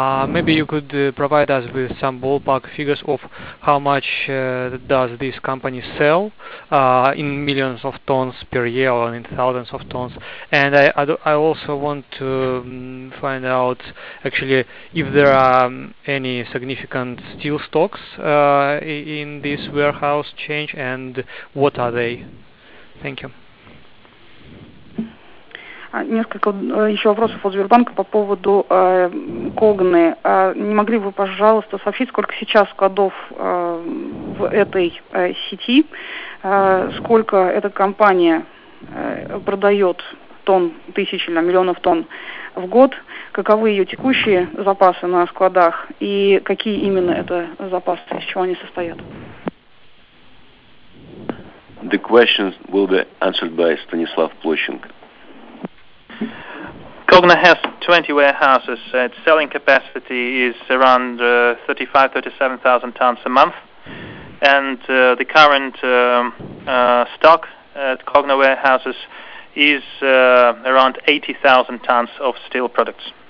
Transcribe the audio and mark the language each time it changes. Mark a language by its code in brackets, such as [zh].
[en] Maybe you could provide us with some ballpark figures of how much does this company sell in millions of tons per year or in thousands of tons. And I also want to find out actually if there are any significant steel stocks in this warehouse chain and what are they. Thank you. [ru] Несколько еще вопросов от Сбербанка по поводу Когны. Не могли бы вы, пожалуйста, сообщить, сколько сейчас складов в этой сети, сколько эта компания продает тонн, тысяч или миллионов тонн в год, каковы ее текущие запасы на складах и какие именно это запасы, из чего они состоят? [en] The question will be answered by Stanislav Plochenko. Cogna has 20 warehouses. Its selling capacity is around 35,000-37,000 tons a month. And the current stock at Cogna warehouses is around 80,000 tons of steel products.